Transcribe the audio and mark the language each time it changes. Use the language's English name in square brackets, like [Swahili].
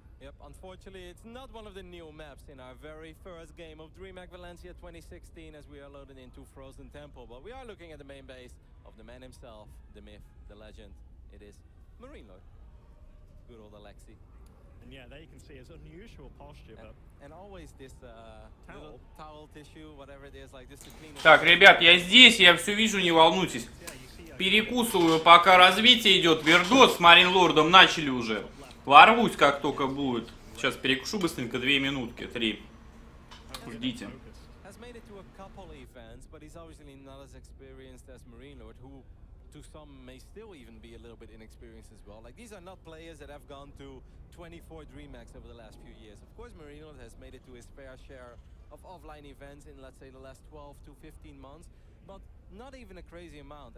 [English] Yep, unfortunately, it's not one of the new maps in our very first game of DreamHack Valencia 2016 as we are loading into Frozen Temple. But we are looking at the main base of the man himself, the myth, the legend. It is Marine Lord. Good old Alexi. And yeah, there you can see his unusual posture. And, but and always this towel tissue, whatever it is, like this to clean it. [Russian] Так, ребят, я здесь, я все вижу, не волнуйтесь. Перекусываю, пока развитие идет. Вердос с Marine Lord'ом начали уже. Ворвусь, как только будет. Сейчас перекушу быстренько, 2 минутки, 3. Ждите. [English] Has made it to a couple events, but he's obviously not as experienced as Marine Lord, who to some may still even be a little bit inexperienced as well. Like, these are not players that have gone to 24 DreamHacks over the last few years. Of course, Marine Lord has made it to his fair share of offline events in, let's say, the last 12 to 15 months, but not even a crazy amount.